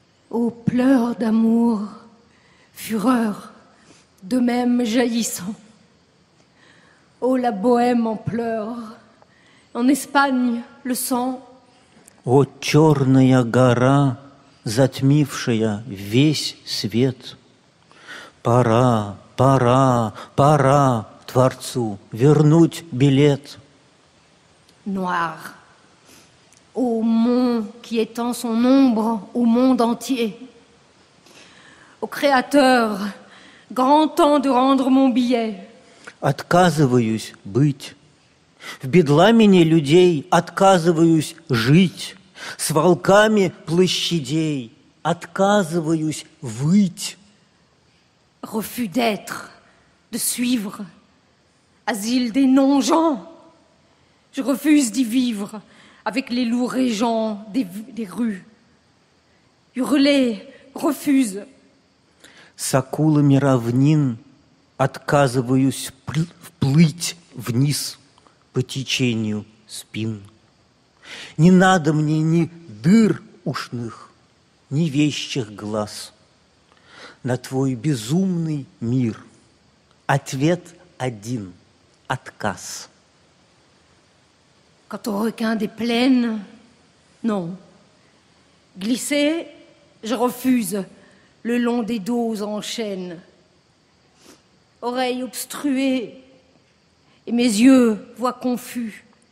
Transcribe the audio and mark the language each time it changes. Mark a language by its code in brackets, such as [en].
[fr] Ô pleurs d'amour, fureur, de même jaillissant. Ô la bohème en pleurs, en Espagne le sang. [ru] Ô черная гора, затмившая весь свет. Пора, пора, пора Творцу вернуть билет. [fr] Noir. Ô mont qui étend son ombre au monde entier. Ô créateur, grand temps de rendre mon billet. [ru] Отказываюсь быть. В бедламине людей отказываюсь жить. С волками площадей отказываюсь выть. [fr] Refus d'être, de suivre. Asile des non-gens. Je refuse d'y vivre. Avec les loups régents des rues. Hurler, refuse. [ru] С акулами равнин отказываюсь вплыть вниз по течению спин. Не надо мне ни дыр ушных, ни вещих глаз. На твой безумный мир ответ один – отказ. [fr] Quand au requin des plaines, non. Glisser, je refuse, le long des dos en chaîne. Oreilles obstruées, et mes yeux voient confus.